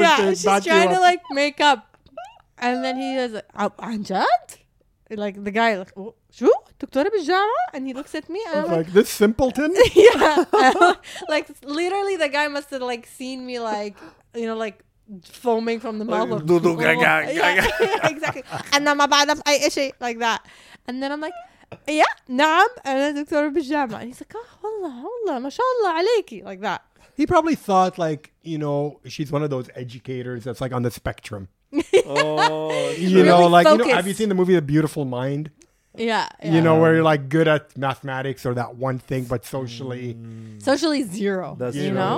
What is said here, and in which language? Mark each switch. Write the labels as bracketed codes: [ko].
[en] Yeah, she's trying to like make up. And then he goes, Anjad? Like the guy, like, [ar] شو? دكتورة بالجامعة? [en] And he looks at me. And I'm like, this simpleton? Yeah. Like, literally, the guy must have, like, seen me, like, you know, like, foaming from the mouth. Like, doo-doo, gaga. Yeah, yeah, exactly. And then, like that. And then I'm like, yeah, [ar] نعم, أنا دكتورة بالجامعة. [en] And he's like, oh, [ar] والله, ما شاء الله عليكي. [en] Like that. He probably thought, like, you know, she's one of those educators that's, like, on the spectrum. Oh, you know, really like, you know, have you seen the movie The Beautiful Mind? Yeah. You know, where you're like good at mathematics or that one thing, but socially. Socially zero. That's you know?